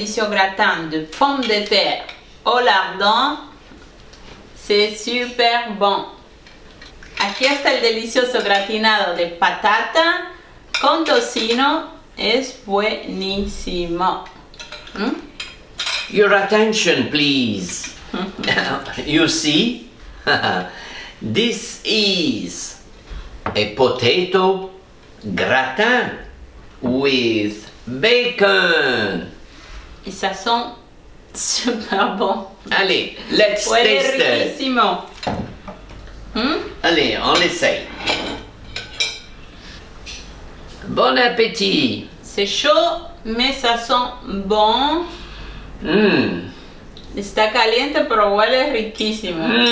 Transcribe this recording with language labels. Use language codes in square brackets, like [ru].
[fr] Gratin de pommes de terre au lardons, c'est super bon. [es] Aquí está el delicioso gratinado de patata con tocino, es buenísimo. [en] Your attention, please. You see, this is a potato gratin with bacon. [fr] Et ça sent super bon. [en] Allez, let's taste it. C'est [es] riquissimo. [fr] Allez, on l'essaye. Bon appétit. C'est chaud, mais ça sent bon. [es] Está caliente, pero huele riquísimo.